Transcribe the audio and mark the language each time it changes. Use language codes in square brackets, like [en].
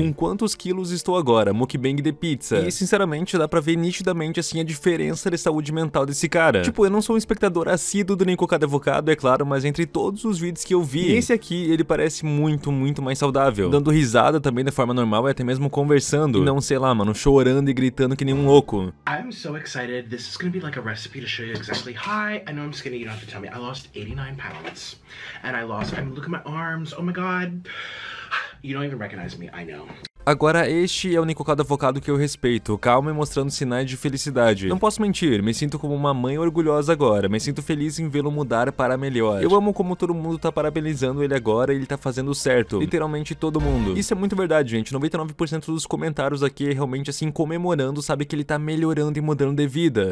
[pt] Com quantos quilos estou agora? Mukbang de pizza. E sinceramente, dá pra ver nitidamente assim a diferença de saúde mental desse cara. Tipo, eu não sou um espectador assíduo do Nicocado Evocado, é claro, mas entre todos os vídeos que eu vi, esse aqui, ele parece muito, muito mais saudável. Dando risada também de forma normal e até mesmo conversando. E não, sei lá, mano, chorando e gritando que nem um louco. [en] I'm so excited. This is gonna be like a recipe to show you exactly. Hi, I know I'm skinny, you don't have to tell me. I lost 89 pounds. And I lost, I mean, look at my arms, oh my god. You don't even recognize me, I know. [pt] Agora, este é o Nicocado Avocado que eu respeito, calmo e mostrando sinais de felicidade. Não posso mentir, me sinto como uma mãe orgulhosa agora, me sinto feliz em vê-lo mudar para melhor. Eu amo como todo mundo tá parabenizando ele agora e ele tá fazendo certo, literalmente todo mundo. Isso é muito verdade, gente, 99% dos comentários aqui é realmente assim, comemorando, sabe, que ele tá melhorando e mudando de vida.